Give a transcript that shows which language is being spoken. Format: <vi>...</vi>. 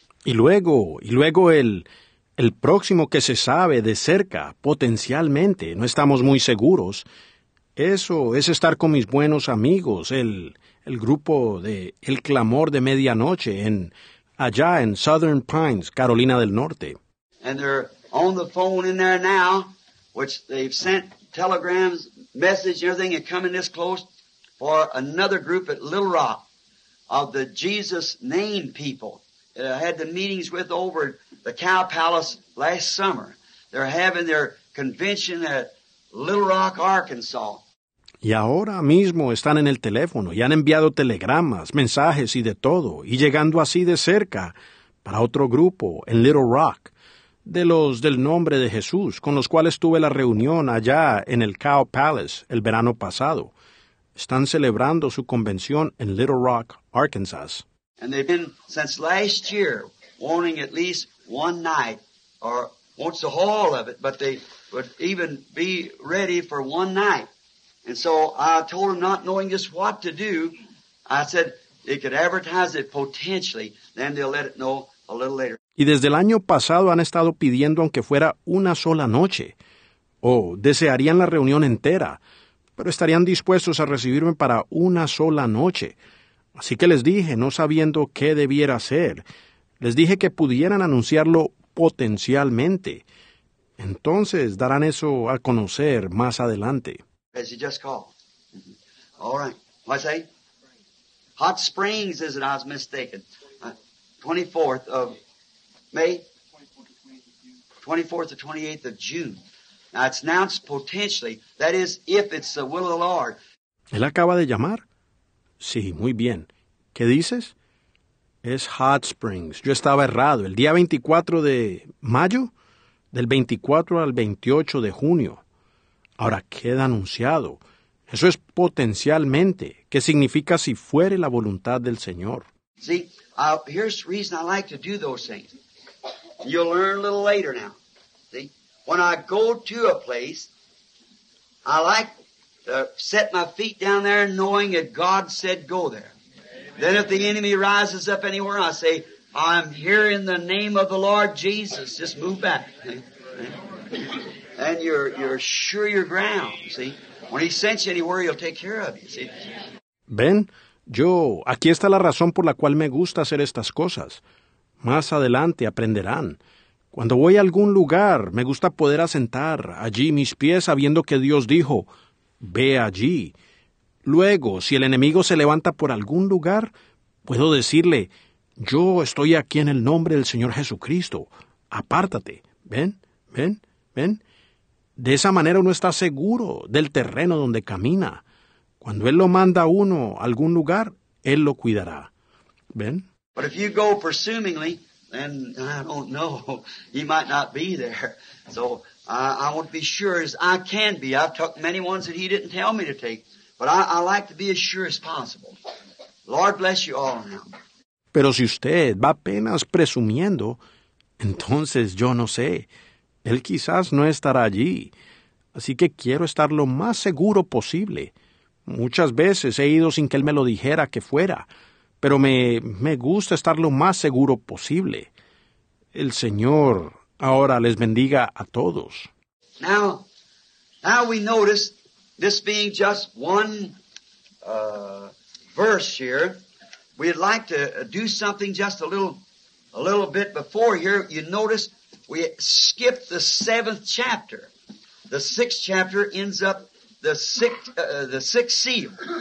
<es>Y luego el próximo que se sabe de cerca, potencialmente, no estamos muy seguros, eso es estar con mis buenos amigos, el grupo de El Clamor de Medianoche, allá en Southern Pines, Carolina del Norte.</es> <en>And they're on the phone in there now, which they've sent telegrams, message, everything, and coming this close for another group at Little Rock of the Jesus Name people. I had the meetings with over at the Cow Palace last summer. They're having their convention at Little Rock, Arkansas.</en> <es>Y ahora mismo están en el teléfono y han enviado telegramas, mensajes y de todo, y llegando así de cerca para otro grupo en Little Rock, de los del nombre de Jesús, con los cuales tuve la reunión allá en el Cow Palace el verano pasado. Están celebrando su convención en Little Rock, Arkansas.</es> <en>And they've been since last year wanting at least one night, or wants the whole of it, but they would even be ready for one night. And so I told him, not knowing just what to do, I said, they could advertise it potentially, then they'll let it know a little later.</en> <es>Y desde el año pasado han estado pidiendo aunque fuera una sola noche, o desearían la reunión entera, pero estarían dispuestos a recibirme para una sola noche. Así que les dije, no sabiendo qué debiera hacer, les dije que pudieran anunciarlo potencialmente. Entonces darán eso a conocer más adelante.</es> <en>As you just called. Mm-hmm. All right. What say? Hot Springs, is it? I was mistaken. 24th of May? 24th to 28th of June. Now, it's announced potentially, that is, if it's the will of the Lord.</en> <es>¿Él acaba de llamar? Sí, muy bien. ¿Qué dices? Es Hot Springs. Yo estaba errado. ¿El día 24 de mayo? Del 24 al 28 de junio. Ahora, queda anunciado. Eso es potencialmente. ¿Qué significa si fuere la voluntad del Señor?</es> <en>See, here's the reason I like to do those things. You'll learn a little later now. See, when I go to a place, I like to set my feet down there knowing that God said go there. Then if the enemy rises up anywhere, I say, I'm here in the name of the Lord Jesus. Just move back. And you're sure your ground, see? When he sends you anywhere, he'll take care of you, see?</en> <es>Ben, yo, aquí está la razón por la cual me gusta hacer estas cosas. Más adelante aprenderán. Cuando voy a algún lugar, me gusta poder asentar allí mis pies sabiendo que Dios dijo, ve allí. Luego, si el enemigo se levanta por algún lugar, puedo decirle, yo estoy aquí en el nombre del Señor Jesucristo. Apártate. ¿Ven? ¿Ven? ¿Ven? De esa manera uno está seguro del terreno donde camina. Cuando Él lo manda a uno a algún lugar, Él lo cuidará. ¿Ven?</es> <en>But if you go presumingly, then I don't know. He might not be there. So I won't be sure as I can be. I've took many ones that He didn't tell me to take. But I like to be as sure as possible. Lord bless you all now.</en> <es>Pero si usted va apenas presumiendo, entonces yo no sé. Él quizás no estará allí. Así que quiero estar lo más seguro posible. Muchas veces he ido sin que él me lo dijera que fuera. Pero me gusta estar lo más seguro posible. El Señor ahora les bendiga a todos.</es> <en>Now we notice this being just one verse here. We'd like to do something just a little bit before here. You notice we skipped the seventh chapter. The sixth chapter ends up the sixth seal.</en>